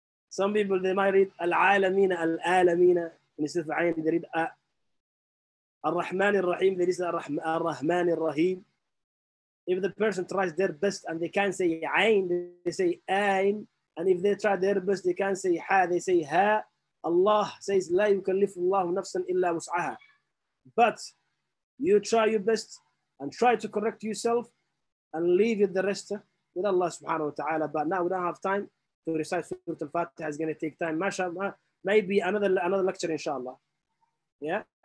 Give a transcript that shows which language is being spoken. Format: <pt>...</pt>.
<en>Some people, they might read Al-Alamina, Al-Alamina, instead of Ayn, they read Ar-Rahman Ar-Rahim, they read Ar-Rahman Ar-Rahim. If the person tries their best and they can't say Ayn, they say Ayn. And if they try their best, they can't say Ha, they say Ha. Allah says,</en> <ar>لا يكلف الله نفسا إلا وسعها.</ar> <en>But you try your best and try to correct yourself and leave it the rest with Allah subhanahu wa ta'ala. But now we don't have time to recite Surah Al-Fatiha. It's going to take time. Mashallah, maybe another lecture, inshallah. Yeah?</en>